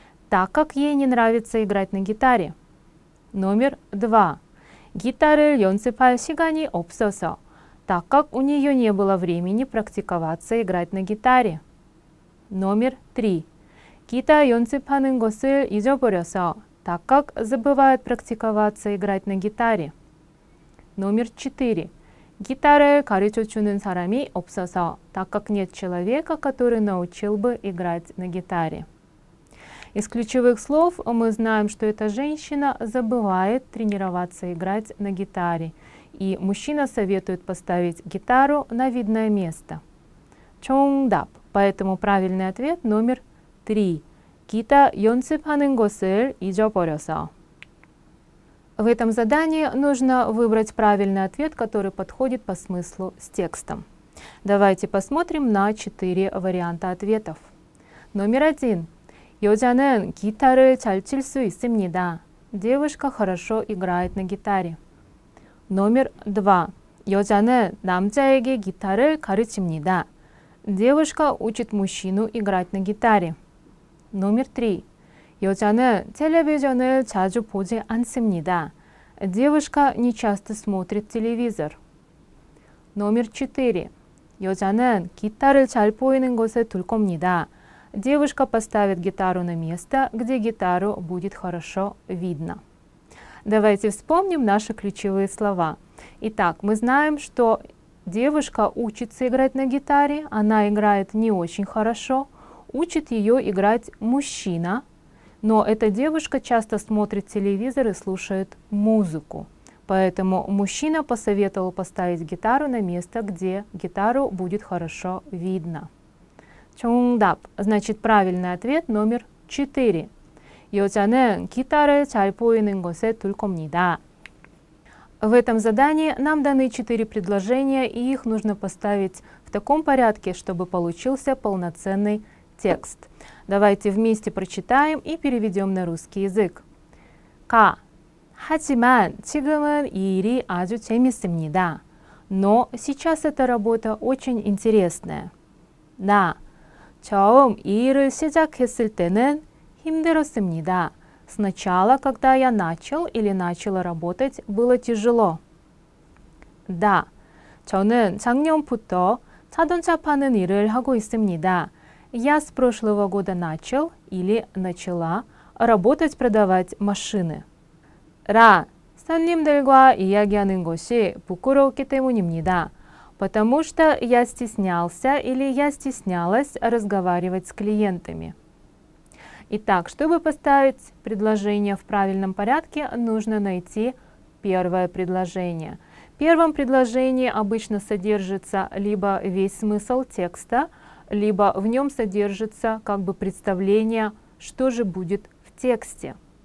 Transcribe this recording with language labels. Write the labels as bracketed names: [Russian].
[Russian] Так как ей не нравится играть на гитаре. Номер 2. [Korean] 기타를 연습할 시간이 없어서. [Russian] Так как у нее не было времени практиковаться играть на гитаре. Номер 3. [Korean] 기타 연습하는 것을 잊어버려서. [Russian] Так как забывает практиковаться играть на гитаре. Номер 4. [Korean] 기타를 가르쳐주는 사람이 없어서, [Russian] так как нет человека, который научил бы играть на гитаре. Из ключевых слов мы знаем, что эта женщина забывает тренироваться играть на гитаре, и мужчина советует поставить гитару на видное место. [Korean] 정답. [Russian] Поэтому правильный ответ номер 3. [Korean] 기타 연습하는 것을 잊어버려서. [Russian] В этом задании нужно выбрать правильный ответ, который подходит по смыслу с текстом. Давайте посмотрим на 4 варианта ответов. Номер 1. [Korean] 여자는 기타를 잘 칠 수 있습니다. [Russian] Девушка хорошо играет на гитаре. Номер 2. [Korean] 여자는 남자에게 기타를 가르칩니다. [Russian] Девушка учит мужчину играть на гитаре. Номер 3. [Korean] 여자는 텔레비전을 자주 보지 않습니다. [Russian] Девушка не часто смотрит телевизор. Номер 4. [Korean] 여자는 기타를 잘 보이는 곳에 둘 겁니다. [Russian] Девушка поставит гитару на место, где гитару будет хорошо видно. Давайте вспомним наши ключевые слова. Итак, мы знаем, что девушка учится играть на гитаре, она играет не очень хорошо, учит ее играть мужчина. Но эта девушка часто смотрит телевизор и слушает музыку. Поэтому мужчина посоветовал поставить гитару на место, где гитару будет хорошо видно. [Korean] 정답. [Russian] Значит, правильный ответ номер 4. [Korean] 여자는 기타를 잘 보이는 곳에 둘 겁니다. [Russian] В этом задании нам даны 4 предложения, и их нужно поставить в таком порядке, чтобы получился полноценный текст. Давайте вместе прочитаем и переведем на русский язык. [Korean] 가. 하지만 지금은 이 일이 아주 재밌습니다. [Russian] Но сейчас эта работа очень интересная. [Korean] 나. 처음 이 일을 시작했을 때는 힘들었습니다. [Russian] Сначала, когда я начал или начала работать, было тяжело. [Korean] 다. 저는 작년부터 자동차 파는 일을 하고 있습니다. [Russian] Я с прошлого года начал или начала работать продавать машины. [Korean] 라. 선님들과 이야기하는 것이 부끄러웠기 때문입니다. [Russian] Потому что я стеснялся или я стеснялась разговаривать с клиентами. Итак, чтобы поставить предложение в правильном порядке, нужно найти первое предложение. В первом предложении обычно содержится либо весь смысл текста, либо в нем содержится как бы представление, что же будет в тексте.